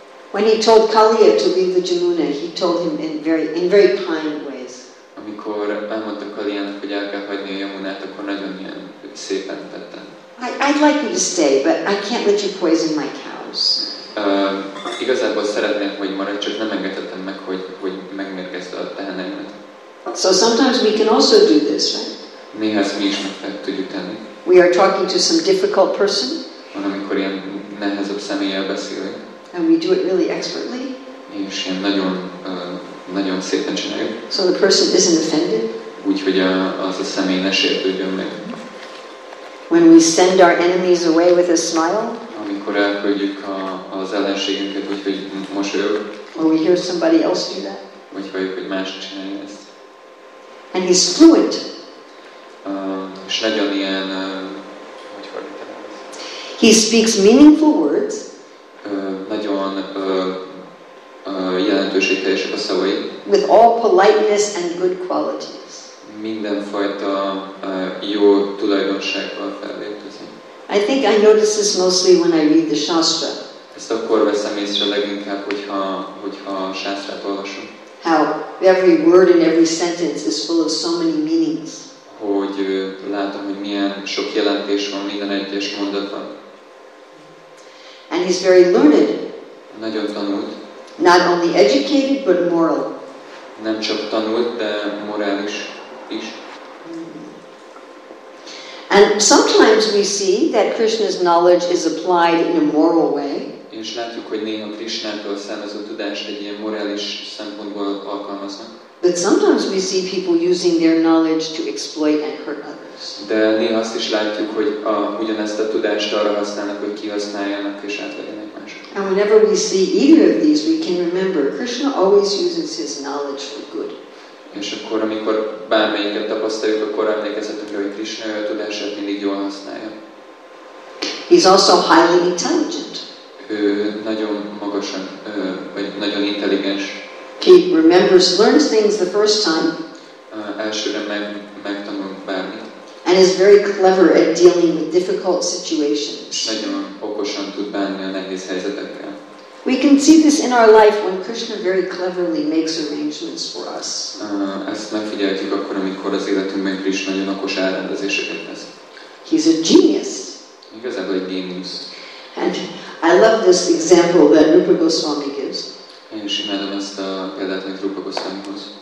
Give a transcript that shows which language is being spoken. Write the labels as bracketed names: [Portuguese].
[English] When he told Kaliya to leave the Jamuna, he told him in very kind ways. [Hungarian] Amikor elmondta Kaliának, hogy el kell hagyni a Jamunát, akkor nagyon ilyen szépen tette. [English] I'd like you to stay, but I can't let you poison my cows. [Hungarian] Igazából szeretném, hogy maradj, csak nem engedhetem meg, hogy megmérgezze a teheneimet. [English] So sometimes we can also do this, right? [Hungarian] Néha ezt mi is meg tudjuk tenni. [English] We are talking to some difficult person. [Hungarian] Van, amikor ilyen nehezebb személlyel beszélünk. [English] And we do it really expertly. [Hungarian] És ilyen nagyon, nagyon szépen csináljuk. [English] So the person isn't offended. [Hungarian] Úgyhogy az a személy ne sértődjön meg. [English] When we send our enemies away with a smile. [Hungarian] Amikor elküldjük az ellenségünket, úgyhogy mosolyog. [English] Or we hear somebody else do that. [Hungarian] Vagy halljuk, hogy más csinálja ezt. [English] And he's fluent. [Hungarian] És nagyon ilyen, hogy fordítanám ezt. [English] He speaks meaningful words. [Hungarian] Nagyon jelentőségteljesek a szavai. [English] With all politeness and good qualities. [Hungarian] Mindenfajta jó tulajdonsággal fellépőzik. [English] I think I notice this mostly when I read the Shastra. [Hungarian] Ezt akkor veszem észre leginkább, hogyha a Shastrát olvasom. [English] How every word in every sentence is full of so many meanings. [Hungarian] Hogy látom, hogy milyen sok jelentés van minden egyes mondatban. [English] he's very learned. [Hungarian] Nagyon tanult. [English] Not only educated, but moral. [Hungarian] Nem csak tanult, de morális is. [English] And sometimes we see that Krishna's knowledge is applied in a moral way. [Hungarian] És látjuk, hogy néha Krishnától származó tudást egy ilyen morális szempontból alkalmaznak. [English] But sometimes we see people using their knowledge to exploit and hurt others. [Hungarian] De néha azt is látjuk, hogy ugyanezt a tudást arra használnak, hogy kihasználjanak és átvegyenek másokat. [English] And whenever we see either of these, we can remember Krishna always uses his knowledge for good. [Hungarian] És akkor, amikor bármelyiket tapasztaljuk, akkor emlékezhetünk, hogy Krishna a tudását mindig jól használja. [English] He's also highly intelligent. [Hungarian] Ő nagyon magasan, vagy nagyon intelligens. [English] He remembers, learns things the first time. [Hungarian] Elsőre megtanul bármit. [English] And is very clever at dealing with difficult situations. [Hungarian] Nagyon okosan tud bánni a nehéz helyzetekkel. [English] We can see this in our life when Krishna very cleverly makes arrangements for us. [Hungarian] Ezt megfigyeltük akkor, amikor az életünkben Krishna nagyon okos elrendezéseket tesz. [English] He's a genius. [Hungarian] Igazából egy génius. [English] And I love this example that Rupa Goswami gives. [Hungarian] Én is imádom ezt a példát, amit Rupa Goswami hoz.